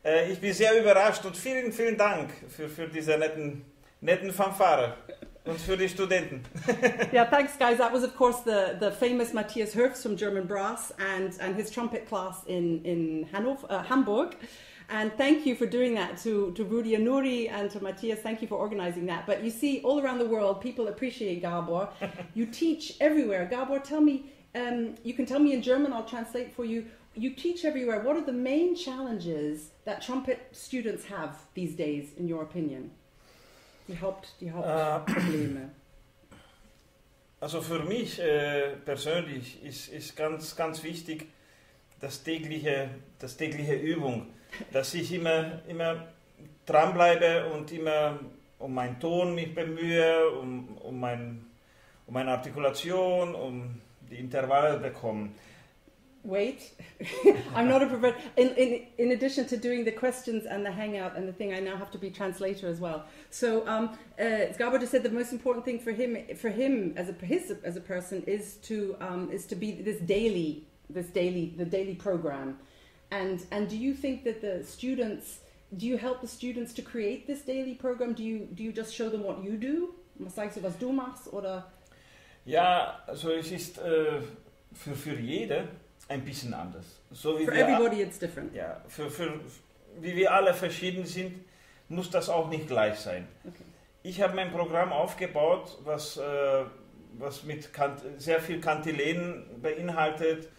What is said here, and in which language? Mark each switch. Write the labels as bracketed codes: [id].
[de] Ich bin sehr überrascht und vielen, vielen Dank für diese netten Fanfare und für die Studenten. [en] Yeah, thanks, guys. That was, of course, the famous Matthias Hirfs from German Brass and his trumpet class in Hamburg. And thank you for doing that to Rudi and Nuri and to Matthias. Thank you for organizing that. But you see, all around the world, people appreciate Gábor. You teach everywhere. Gábor, tell me, you can tell me in German, I'll translate for you. You teach everywhere. What are the main challenges that trumpet students have these days, in your opinion? [de] Die Probleme. Also für mich persönlich ist ganz, ganz wichtig, das tägliche Übung, dass ich immer dranbleibe und immer um meinen Ton mich bemühe, um meine Artikulation, um die Intervalle bekommen. [en] Wait, I'm not a prepared. In addition to doing the questions and the hangout and the thing, I now have to be translator as well. So Gabor just said the most important thing for him as a person is to be this daily program. And do you think that the students, do you help the students to create this daily program? Do you just show them what you do? [de] Sagst du, was du machst, oder? Ja, also es ist für jede ein bisschen anders. So wie [en] for everybody it's different. [de] Ja, für wie wir alle verschieden sind, muss das auch nicht gleich sein. [en] Okay. [de] Ich habe mein Programm aufgebaut, was mit sehr viel Kantilenen beinhaltet.